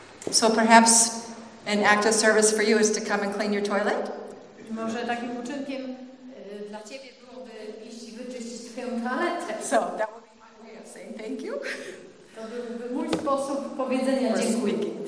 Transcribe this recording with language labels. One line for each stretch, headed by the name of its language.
English: So perhaps an act of service for you is to come and clean your toilet?
Polish: Może takim uczynkiem dla ciebie byłoby iść i wyczyścić swoją toaletę.
English: So that would be my way of saying thank you.
Polish: To byłby mój sposób powiedzenia dziękuję.